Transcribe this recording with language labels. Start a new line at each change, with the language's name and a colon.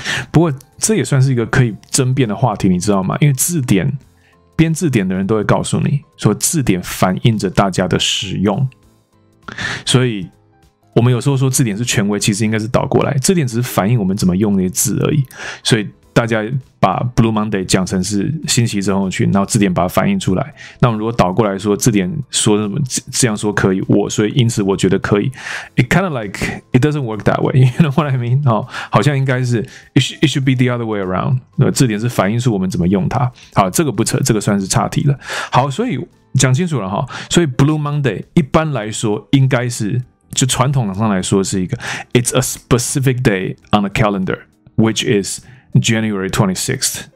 Chinese: 不过这也算是一个可以争辩的话题，你知道吗？因为字典编字典的人都会告诉你说，字典反映着大家的使用，所以我们有时候说字典是权威，其实应该是倒过来，字典只是反映我们怎么用那些字而已。所以大家把 Blue Monday 讲成是星期一症候群，然后字典把它反映出来。那我们如果倒过来说，字典说什么这样说可以，我所以因此我觉得可以。
English: It kind of like it doesn't work that way. You know what I mean?、
Chinese: 哦、好像应该是
English: it should be the other way around.
Chinese: 字典是反映出我们怎么用它。好，这个不扯，这个算是岔题了。好，所以讲清楚了哈。所以 Blue Monday 一般来说应该是，就传统上来说是一个
English: It's a specific day on a calendar, which is January 26th.